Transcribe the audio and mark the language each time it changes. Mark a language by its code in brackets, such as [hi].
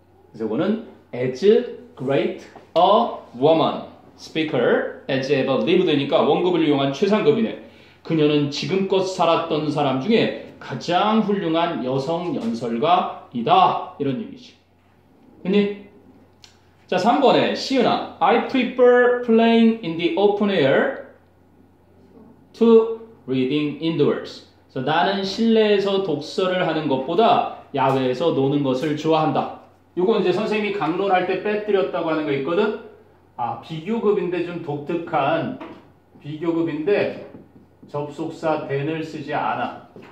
[ko] 그래서 이거는 [en] as great a woman speaker as ever lived [ko] 되니까 원급을 이용한 최상급이네. 그녀는 지금껏 살았던 사람 중에 가장 훌륭한 여성 연설가이다. 이런 얘기지. 흔히? 자, 3번에 시은아. [en] I prefer playing in the open air to reading indoors. [ko] 나는 실내에서 독서를 하는 것보다 야외에서 노는 것을 좋아한다. 이건 이제 선생님이 강론할 때 빼뜨렸다고 하는 거 있거든? 아, 비교급인데 좀 독특한 비교급인데 접속사 then을 쓰지 않아.